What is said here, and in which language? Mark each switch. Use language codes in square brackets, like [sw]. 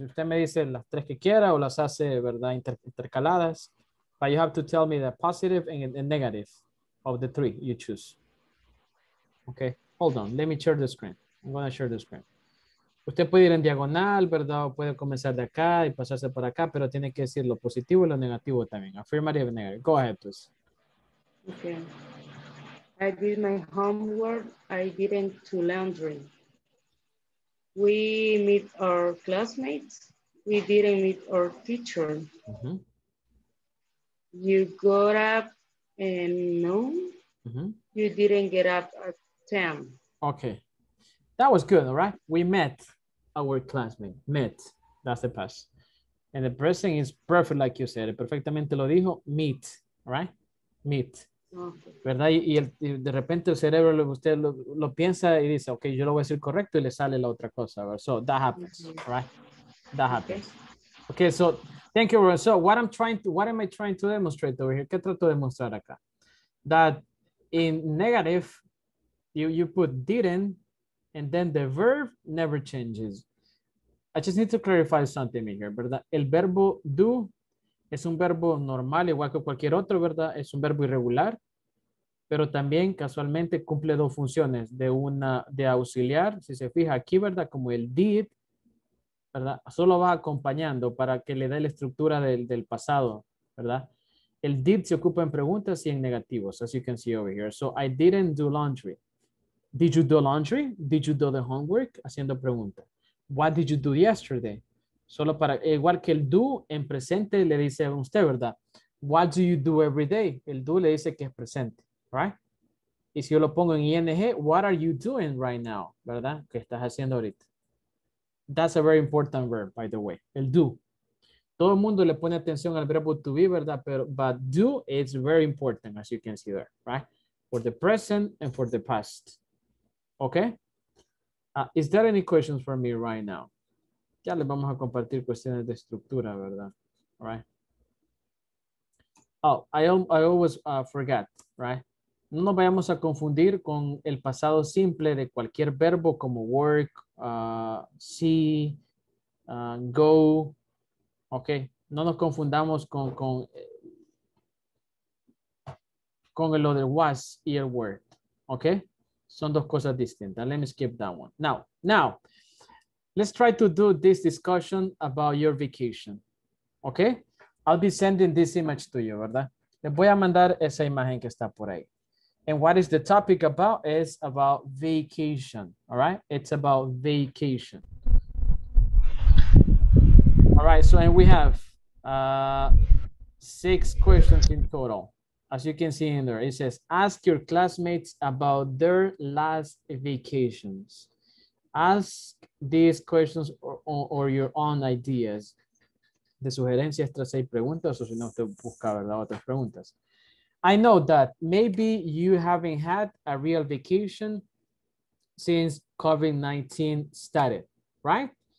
[es] Usted me dice las tres que quiera o las hace, ¿verdad? Intercaladas. [en] But you have to tell me the positive and the negative of the three you choose. Okay. Hold on. Let me share the screen. I'm going to share the screen. [es] Usted puede ir en diagonal, ¿verdad? O puede comenzar de acá y pasarse por acá, pero tiene que decir lo positivo y lo negativo también. [en] Affirmative and negative. Go ahead, please. Okay. I did my homework. I didn't do laundry. We meet our classmates. We didn't meet our teacher. Mm-hmm. You got up at noon. Mm-hmm. You didn't get up at 10. Okay. That was good, all right? We met our classmate. Met. That's the past. And the present is perfect, like you said. [es] Perfectamente lo dijo. [en] Meet, right? Meet. Okay. [es] ¿Verdad? Y de repente el cerebro, usted lo piensa y dice, ok, yo lo voy a decir correcto y le sale la otra cosa. [en] ¿Verdad? So that happens, mm-hmm. right? That happens. Okay. Okay, so thank you, Ron. So what am I trying to demonstrate over here? [es] ¿Qué trato de demostrar acá? [en] That in negative, you put didn't, and then the verb never changes. I just need to clarify something here, ¿verdad? [es] El verbo do es un verbo normal, igual que cualquier otro, ¿verdad? Es un verbo irregular, pero también casualmente cumple dos funciones, de auxiliar, si se fija aquí, ¿verdad? Como el did, ¿verdad? Solo va acompañando para que le dé la estructura del pasado, ¿verdad? El did se ocupa en preguntas y en negativos, [en] as you can see over here. So, I didn't do laundry. Did you do laundry? Did you do the homework? [es] Haciendo pregunta. [en] What did you do yesterday? [es] Solo para, igual que el do, en presente le dice a usted, ¿verdad? [en] What do you do every day? [es] El do le dice que es presente, [en] right? [es] Y si yo lo pongo en ING, [en] what are you doing right now? [es] ¿Verdad? ¿Qué estás haciendo ahorita? [en] That's a very important verb, by the way. [es] El do. Todo el mundo le pone atención al verbo to be, ¿verdad? [en] Pero, but do is very important, as you can see there, right? For the present and for the past. Okay, is there any questions for me right now? [es] Ya les vamos a compartir cuestiones de estructura, ¿verdad? [en] All right. Oh, I always forget, right? [es] No nos vayamos a confundir con el pasado simple de cualquier verbo como work, see, go. Okay, no nos confundamos con el other was y el were. Okay. Son dos cosas distintas. [en] Let me skip that one. Now, let's try to do this discussion about your vacation. Okay? I'll be sending this image to you, ¿verdad? [es] Le voy a mandar esa imagen que está por ahí. [en] And what is the topic about? It's about vacation. All right? It's about vacation. All right. So, and we have six questions in total. As you can see in there, it says, ask your classmates about their last vacations. Ask these questions or your own ideas. [es] De sugerencias tras seis preguntas, o si no, usted busca, ¿verdad? Otras preguntas. [en] I know that maybe you haven't had a real vacation since COVID-19 started, right?